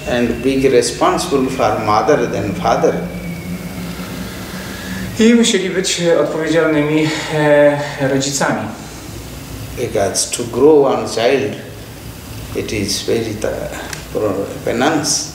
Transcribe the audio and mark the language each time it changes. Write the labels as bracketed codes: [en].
[en] And being responsible for mother than father. [pl] I musieli być odpowiedzialnymi rodzicami. [en] Because to grow one child, it is very penance.